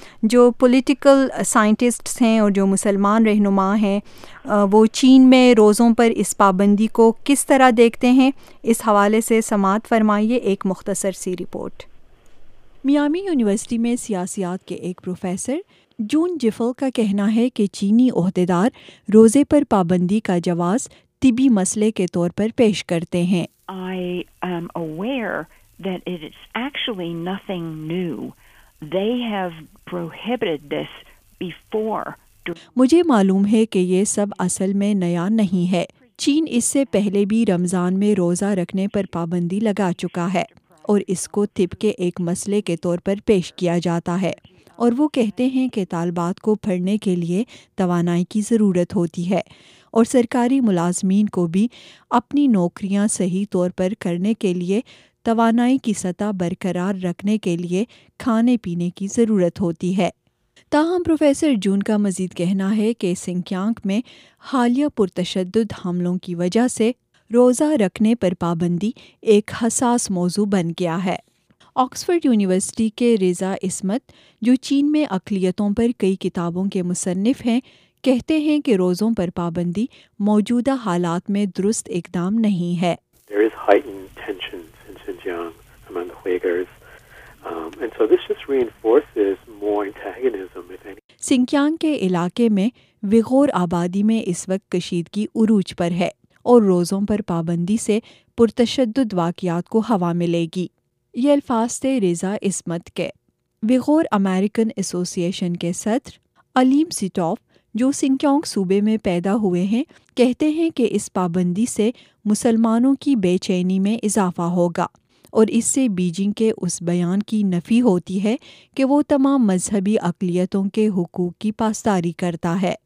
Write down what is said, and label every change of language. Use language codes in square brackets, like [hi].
[ur] جو political scientists ہیں اور جو مسلمان رہنما ہیں, وہ چین میں روزوں پر اس پابندی کو کس طرح دیکھتے ہیں, اس حوالے سے سماعت فرمائیے ایک مختصر سی رپورٹ. میامی یونیورسٹی میں سیاسیات کے ایک پروفیسر جون جفل کا کہنا ہے کہ چینی عہدیدار روزے پر پابندی کا جواز طبی مسئلے کے طور پر پیش کرتے ہیں. [en] I am aware that it is actually nothing new. They have prohibited this before. [ur] مجھے معلوم ہے کہ یہ سب اصل میں نیا نہیں ہے. چین اس سے پہلے بھی رمضان میں روزہ رکھنے پر پابندی لگا چکا ہے, اور اس کو طب کے ایک مسئلے کے طور پر پیش کیا جاتا ہے. اور وہ کہتے ہیں کہ طالبات کو پڑھنے کے لیے توانائی کی ضرورت ہوتی ہے, اور سرکاری ملازمین کو بھی اپنی نوکریاں صحیح طور پر کرنے کے لیے توانائی کی سطح برقرار رکھنے کے لیے کھانے پینے کی ضرورت ہوتی ہے. تاہم پروفیسر جون کا مزید کہنا ہے کہ سنکیانگ میں حالیہ پرتشدد حملوں کی وجہ سے روزہ رکھنے پر پابندی ایک حساس موضوع بن گیا ہے. آکسفورڈ یونیورسٹی کے رضا عصمت, جو چین میں اقلیتوں پر کئی کتابوں کے مصنف ہیں, کہتے ہیں کہ روزوں پر پابندی موجودہ حالات میں درست اقدام نہیں ہے. [en] There is heightened tensions in Xinjiang among the Uyghurs. And so this just reinforces more antagonism, if any. [ur] Sinkiang کے علاقے میں ویغور آبادی میں اس وقت کشیدگی عروج پر ہے, اور روزوں پر پابندی سے پرتشدد واقعات کو ہوا ملے گی. یہ الفاظ تھے رضا عصمت کے. ویغور امریکن ایسوسی ایشن کے صدر علیم سیٹوف, جو سنکیانگ صوبے میں پیدا ہوئے ہیں, کہتے ہیں کہ اس پابندی سے مسلمانوں کی بے چینی میں اضافہ ہوگا, اور اس سے بیجنگ کے اس بیان کی نفی ہوتی ہے کہ وہ تمام مذہبی اقلیتوں کے حقوق کی پاسداری کرتا ہے.